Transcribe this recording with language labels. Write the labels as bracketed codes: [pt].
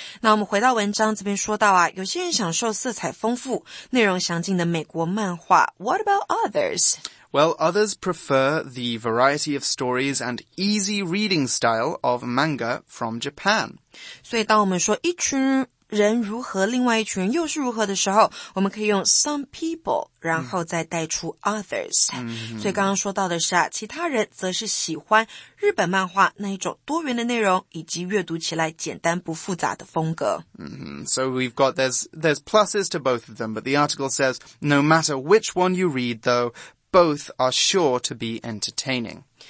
[zh] 那我们回到文章这边说到啊有些人享受色彩丰富内容详尽的美国漫画。 [en] What about others? Well, others prefer the variety of stories and easy reading style of manga from Japan. [zh] 所以当我们说一群人如何另外一群人又是如何的时候我们可以用 some people 然后再带出 others、 mm-hmm. 所以刚刚说到的是、啊、其他人则是喜欢日本漫画那一种多元的内容以及阅读起来简单不复杂的风格、 mm-hmm. [en] So we've got there's pluses to both of them but the article says no matter which one you read though both are sure to be entertaining